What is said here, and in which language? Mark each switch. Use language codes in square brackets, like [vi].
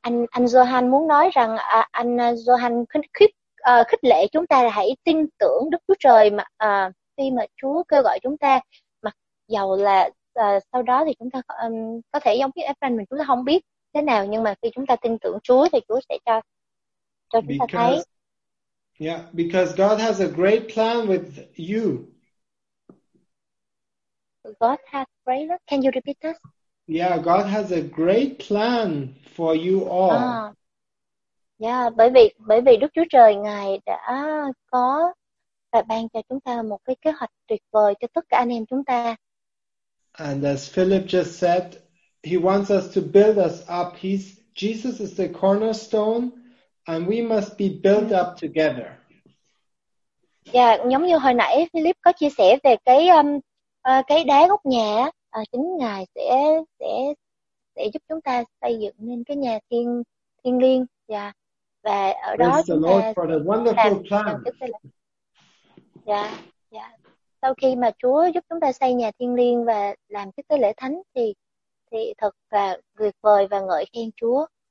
[vi] Anh Johan muốn nói rằng anh Johan khích lệ chúng ta là hãy tin tưởng Đức Chúa Trời mà khi mà Chúa kêu gọi chúng ta, mặc dầu là sau đó thì chúng ta có thể giống như Abraham mình, chúng ta không biết thế nào, nhưng mà khi chúng ta tin tưởng Chúa thì Chúa sẽ cho chúng ta thấy. [en] Yeah, because God has a great plan with you. God has great. Can you repeat that? Yeah, God has a great plan for you all. [vi] Yeah, bởi vì Đức Chúa Trời Ngài đã có và ban cho chúng ta một cái kế hoạch tuyệt vời cho tất cả anh em chúng ta. [en] And as Philip just said, he wants us to build us up. Jesus is the cornerstone and we must be built up together. [vi] Yeah, giống như hồi nãy Philip có chia sẻ về cái đá gốc nhà. Chính Ngài sẽ giúp chúng ta xây dựng nên cái nhà thiên thiêng liêng. Dạ. Và ở đó chúng ta làm sau khi mà Chúa giúp chúng ta xây nhà thiêng liêng và làm cái tế lễ thánh thì thật là tuyệt vời và ngợi khen Chúa.